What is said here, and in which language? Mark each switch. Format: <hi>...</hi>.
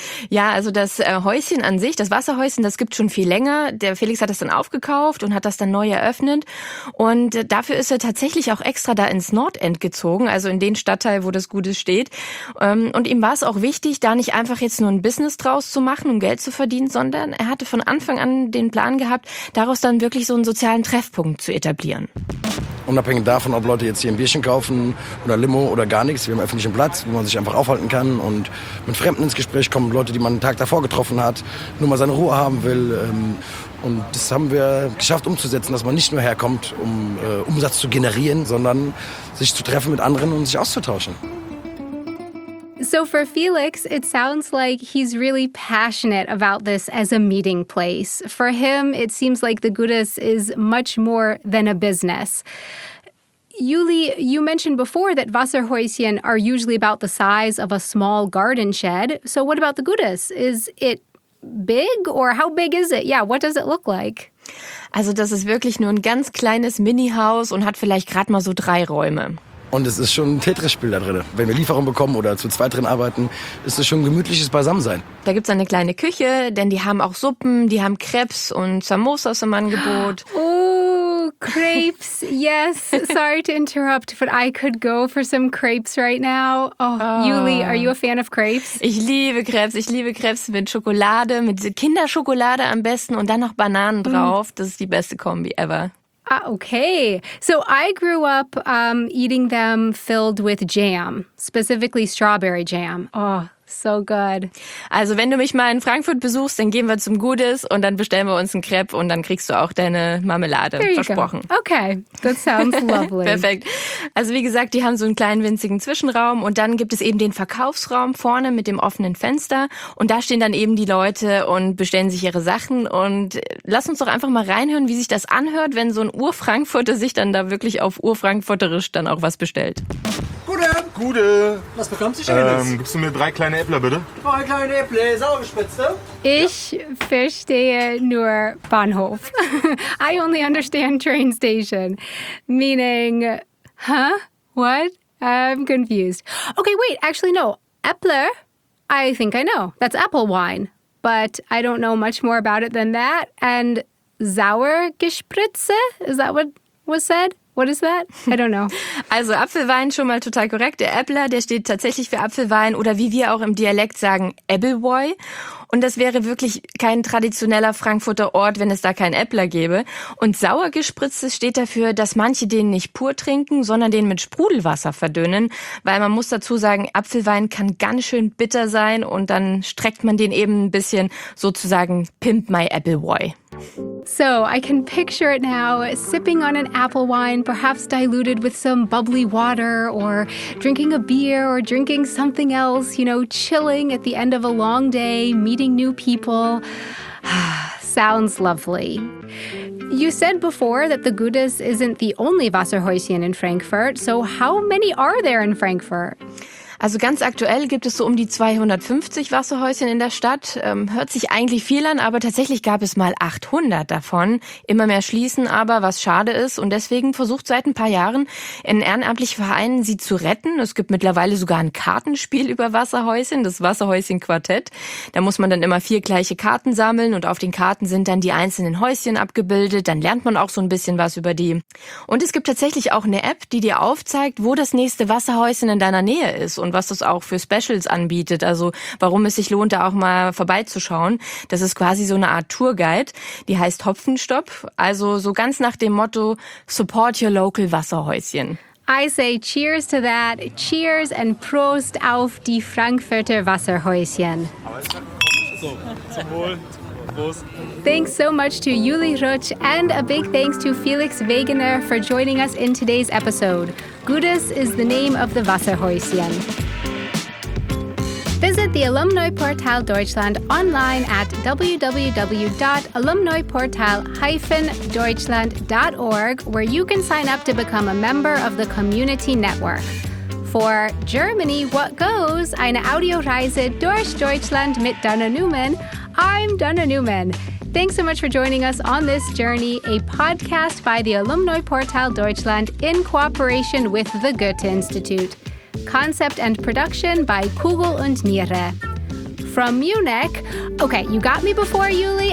<de>Ja, also das Häuschen an sich, das Wasserhäuschen, das gibt schon viel länger. Der Felix hat das dann aufgekauft und hat das dann neu eröffnet. Und dafür ist er tatsächlich auch extra da ins Nordend gezogen, also in den Stadtteil, wo das Gudes steht. Und ihm war es auch wichtig, da nicht einfach jetzt nur ein Business draus zu machen, um Geld zu verdienen, sondern er hatte von Anfang an den Plan gehabt, daraus dann wirklich so einen sozialen Treffpunkt zu etablieren. Unabhängig davon, ob Leute jetzt hier ein Bierchen kaufen oder Limo oder gar nichts. Wir haben einen öffentlichen Platz, wo man sich einfach aufhalten kann und mit Fremden ins Gespräch kommen. Leute, die man einen Tag davor getroffen hat, nur mal seine Ruhe haben will. Und das haben wir geschafft umzusetzen, dass man nicht nur herkommt, um Umsatz zu generieren, sondern sich zu treffen mit anderen und sich auszutauschen.</de> <en>So for Felix, it sounds like he's really passionate about this as a meeting place. For him, it seems like the Gudes is much more than a business. Yuli, you mentioned before that Wasserhäuschen are usually about the size of a small garden shed. So what about the Gudes? Is it big or how big is it? Yeah, what does it look like?</en> <de>Also das ist wirklich nur ein ganz kleines Mini-Haus und hat vielleicht gerade mal so 3 Räume. Und es ist schon ein Tetris-Spiel da drin. Wenn wir Lieferungen bekommen oder zu zweit drin arbeiten, ist es schon ein gemütliches Beisammensein. Da gibt es eine kleine Küche, denn die haben auch Suppen, die haben Crepes und Samosas im Angebot.</de> <en>Oh, Crepes, yes. Sorry to interrupt, but I could go for some Crepes right now. Oh, Yuli, are you a fan of Crepes?</en> <de>Ich liebe Crepes mit Schokolade, mit Kinderschokolade am besten und dann noch Bananen drauf. Mm. Das ist die beste Kombi ever.</de> <en>Okay, so I grew up eating them filled with jam, specifically strawberry jam. Oh, so good.</en> <de>Also wenn du mich mal in Frankfurt besuchst, dann gehen wir zum Gudes und dann bestellen wir uns einen Crepe und dann kriegst du auch deine Marmelade, versprochen.</de> <en>Go. Okay, that sounds lovely.</en> <de>Perfekt. Also wie gesagt, die haben so einen kleinen winzigen Zwischenraum und dann gibt es eben den Verkaufsraum vorne mit dem offenen Fenster und da stehen dann eben die Leute und bestellen sich ihre Sachen und lass uns doch einfach mal reinhören, wie sich das anhört, wenn so ein Ur-Frankfurter sich dann da wirklich auf Ur-Frankfurterisch dann auch was bestellt. Gute. Guten. Gute. Was bekommst du Schönes? Gibst du mir 3 kleine Äppler, bitte? 2 kleine Äppler, saugespitzte. Ich verstehe nur Bahnhof.</de> <en>I only understand train station. Meaning, huh? What? I'm confused. Okay, wait, actually, no. Äppler, I think I know. That's apple wine. But I don't know much more about it than that. And Sauergespritze, is that what was said? What is that? I don't know.</en> <de>Also Apfelwein schon mal total korrekt. Der Äppler, der steht tatsächlich für Apfelwein oder wie wir auch im Dialekt sagen, Äppelwoi. Und das wäre wirklich kein traditioneller Frankfurter Ort, wenn es da keinen Äppler gäbe. Und Sauergespritze steht dafür, dass manche den nicht pur trinken, sondern den mit Sprudelwasser verdünnen. Weil man muss dazu sagen, Apfelwein kann ganz schön bitter sein und dann streckt man den eben ein bisschen sozusagen</de> <en>Pimp my</en> <de>Äppelwoi.</de> <en>So, I can picture it now, sipping on an apple wine, perhaps diluted with some bubbly water, or drinking a beer, or drinking something else, you know, chilling at the end of a long day, meeting new people. Sounds lovely. You said before that the Gutes isn't the only Wasserhäuschen in Frankfurt, so how many are there in Frankfurt?</en> <de>Also ganz aktuell gibt es so um die 250 Wasserhäuschen in der Stadt. Hört sich eigentlich viel an, aber tatsächlich gab es mal 800 davon. Immer mehr schließen aber, was schade ist. Und deswegen versucht seit ein paar Jahren ein ehrenamtlicher Verein, sie zu retten. Es gibt mittlerweile sogar ein Kartenspiel über Wasserhäuschen, das Wasserhäuschen-Quartett. Da muss man dann immer 4 gleiche Karten sammeln und auf den Karten sind dann die einzelnen Häuschen abgebildet. Dann lernt man auch so ein bisschen was über die. Und es gibt tatsächlich auch eine App, die dir aufzeigt, wo das nächste Wasserhäuschen in deiner Nähe ist und was das auch für Specials anbietet, also warum es sich lohnt, da auch mal vorbeizuschauen. Das ist quasi so eine Art Tourguide, die heißt Hopfenstopp, also so ganz nach dem Motto</de> <en>Support your local</en> <de>Wasserhäuschen.</de> <en>I say cheers to that. Cheers and</en> <de>Prost auf die Frankfurter Wasserhäuschen. So, zum Wohl.</de> <en>Thanks so much to Juli Rutsch and a big thanks to Felix Wegener for joining us in today's episode. Gutes is the name of the Wasserhäuschen. Visit the Alumni Portal Deutschland online at www.alumniportal-deutschland.org where you can sign up to become a member of the community network. For Germany, what goes?</en> <de>Eine Audioreise durch Deutschland mit Dana Newman.</de> <en>I'm Dana Newman. Thanks so much for joining us on this journey, a podcast by the Alumni Portal Deutschland in cooperation with the Goethe-Institut. Concept and production by Kugel und Niere. From Munich, okay, you got me before, Juli.</en>